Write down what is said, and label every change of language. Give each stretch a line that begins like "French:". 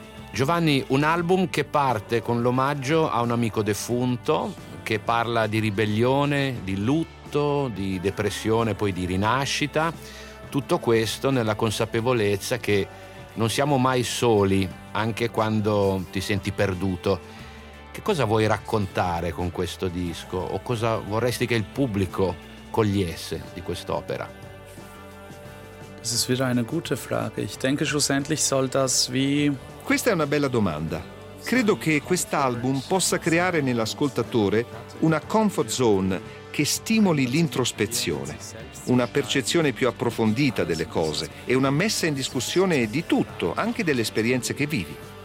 Italian: Giovanni, un album che parte con l'omaggio a un amico defunto, che parla di ribellione, di lutto, di depressione, poi di rinascita. Tutto questo nella consapevolezza che non siamo mai soli, anche quando ti senti perduto. Che cosa vuoi raccontare con questo disco? O cosa vorresti che il pubblico cogliesse di quest'opera?
German: Das ist wieder eine gute Frage. Ich denke, schlussendlich soll das wie...
Italian: Questa è una bella domanda. Credo che quest'album possa creare nell'ascoltatore una comfort zone che stimoli l'introspezione, una percezione più approfondita delle cose e una messa in discussione di tutto, anche delle esperienze che vivi.